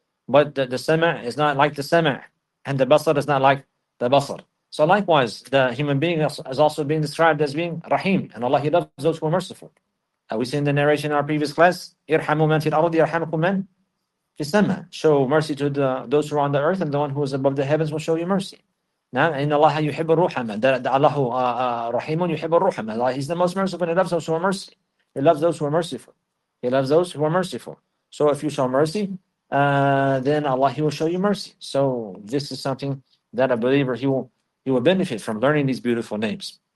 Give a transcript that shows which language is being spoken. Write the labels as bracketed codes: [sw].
[en] But the Sama' is not like the Sama', and the Basar is not like the Basar. So likewise, the human being is also being described as being Rahim, and Allah, He loves those who are merciful. We seen the narration in our previous class, [ar] إِرْحَمُوا مَنْ فِي الْأَرْضِ يَرْحَمُكُمْ مَنْ في السماء. [en] Show mercy to those who are on the earth, and the one who is above the heavens will show you mercy. [ar] نعم، إن الله يحب الرحمة، الله رحيم يحب الرحمة. [en] He is the most merciful, and he loves those who are mercy. He loves those who are merciful. He loves those who are merciful. So if you show mercy, then Allah, he will show you mercy. So this is something that a believer, he will benefit from learning these beautiful names.